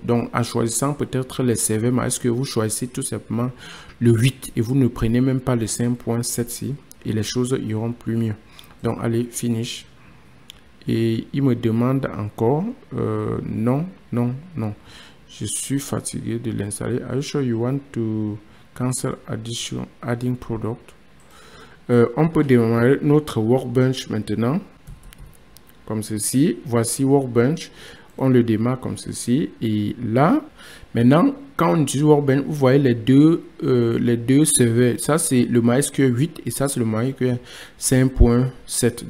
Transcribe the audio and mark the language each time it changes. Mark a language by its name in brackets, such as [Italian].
[French] Donc, en choisissant peut-être les serveurs MySQL, vous choisissez tout simplement le 8 et vous ne prenez même pas le 5.7 ici. Et les choses iront plus mieux. Donc, allez, finish. Et il me demande encore. Non, non, non. Je suis fatigué de l'installer. [English] Are you sure you want to cancel addition adding product? [French] On peut démarrer notre workbench maintenant. Comme ceci. Voici workbench. On le démarre comme ceci. Et là, maintenant, quand on utilise Workbench, vous voyez les deux serveurs. Ça, c'est le MySQL 8 et ça, c'est le MySQL 5.7.